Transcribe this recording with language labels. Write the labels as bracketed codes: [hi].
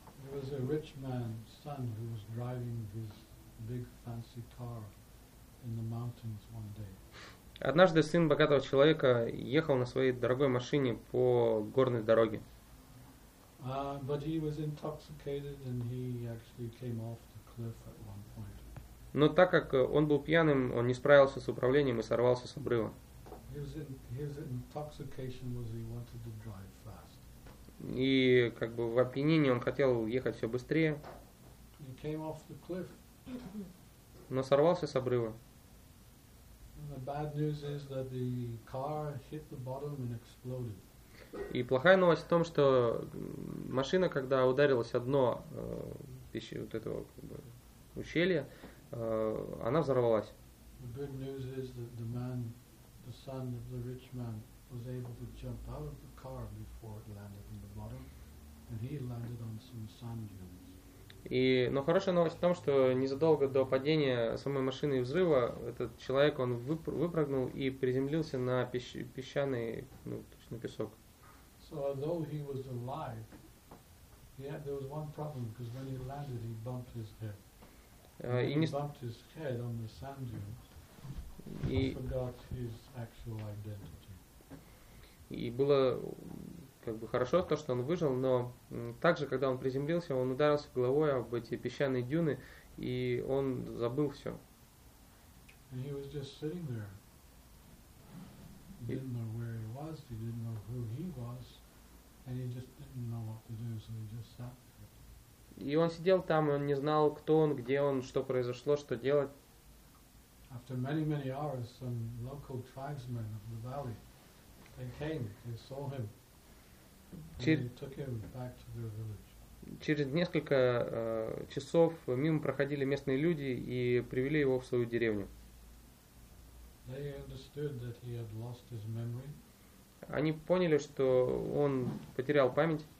[en] There was a rich man's son who was driving his big fancy car in the mountains one day. [ru] Однажды сын богатого человека ехал на своей дорогой машине по горной дороге. [en] But he was intoxicated and he actually came off the cliff at one point. [ru] Но так как он был пьяным, он не справился с управлением и сорвался с обрыва. [en] His intoxication was he wanted to drive fast. [ru] И как бы в опьянении он хотел ехать все быстрее. [en] He came off the cliff. [ru] Но сорвался с обрыва. [en] And the bad news is that the car hit the bottom and exploded. [ru] И плохая новость в том, что машина, когда ударилась о дно вот этого как бы, ущелья, она взорвалась. [en] The good news is that the man, the son of the rich man, was able to jump out of the car before it landed in the bottom, and he landed on some sand dunes. [ru] И, но хорошая новость в том, что незадолго до падения самой машины и взрыва этот человек он выпрыгнул и приземлился на песчаный, ну, точно песок. [en] So although he was alive, there was one problem, because when he landed, he bumped his head. Bumped his head on the sand dunes. He forgot his actual identity. [ru] И было как бы хорошо то, что он выжил, но также, когда он приземлился, он ударился головой об эти песчаные дюны, и он забыл все. [en] And he was just sitting there. He didn't know where he was, he didn't know who he was, and he just didn't know what to do, so he just sat there. [ru] И он сидел там, и он не знал, кто он, где он, что произошло, что делать. [en] After many, many hours, some local tribesmen of the valley, they came, they saw him, and they took him back to their village. [ru] Через несколько часов мимо проходили местные люди и привели его в свою деревню. [en] They understood that he had lost his memory. [ru] Они поняли, что он потерял память.